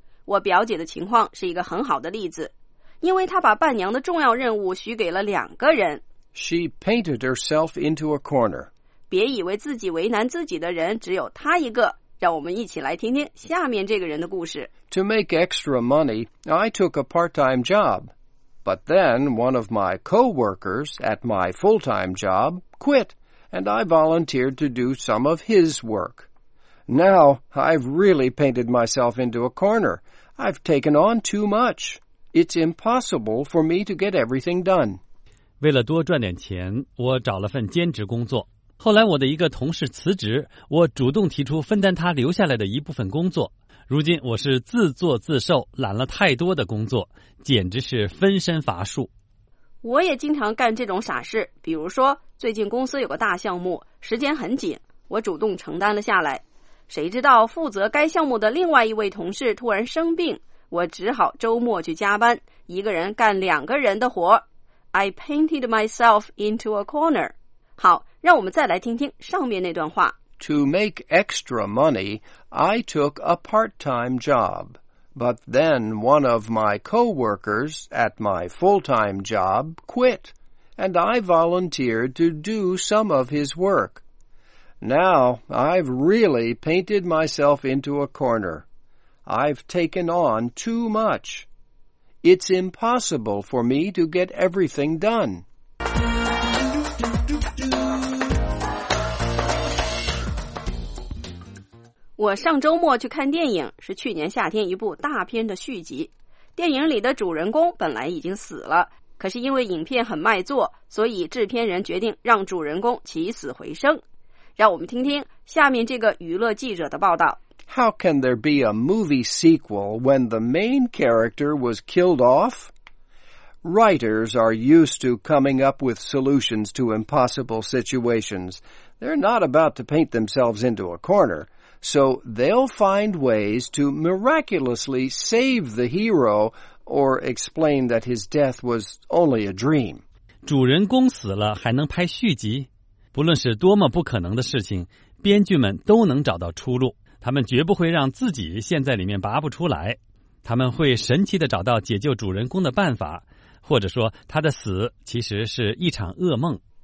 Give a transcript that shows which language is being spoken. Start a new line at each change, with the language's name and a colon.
Chinese: 我表姐的情况是一个很好的例子，因为她把伴娘的重要任务许给了两个人。
English: She painted herself into a corner.
Chinese: 别以为自己为难自己的人只有她一个。让我们一起来听听下面这个人的故事。
English: To make extra money, I took a part-time job. But then one of my co-workers at my full-time job quit, and I volunteered to do some of his work. Now I've really painted myself into a corner. I've taken on too much. It's impossible for me to get everything done.
Chinese: 为了多赚点钱，我找了份兼职工作。后来我的一个同事辞职，我主动提出分担他留下来的一部分工作。如今我是自作自受，揽了太多的工作，简直是分身乏术。我也经常干这种傻事，比如说最近公司有个大项目，时间很紧，我主动承担了下来。谁知道负责该项目的另外一位同事突然生病，我只好周末去加班，一个人干两个人的活。
English: I painted myself into a corner.
Chinese: 好，让我们再来听听上面那段话。
English: To make extra money, I took a part-time job. But then one of my co-workers at my full-time job quit, and I volunteered to do some of his work. Now I've really painted myself into a corner. I've taken on too much. It's impossible for me to get everything done.
Chinese: 我上周末去看电影，是去年夏天一部大片的续集。电影里的主人公本来已经死了，可是因为影片很卖座，所以制片人决定让主人公起死回生。让我们听听下面这个娱乐记者的报道。
English: How can there be a movie sequel when the main character was killed off? Writers are used to coming up with solutions to impossible situations. They're not about to paint themselves into a corner, so they'll find ways to miraculously save the hero or explain that his death was only a dream.
Chinese: 主人公死了还能拍续集？不论是多么不可能的事情，编剧们都能找到出路。他们绝不会让自己陷在里面拔不出来，他们会神奇地找到解救主人公的办法，或者说他的死其实是一场噩梦。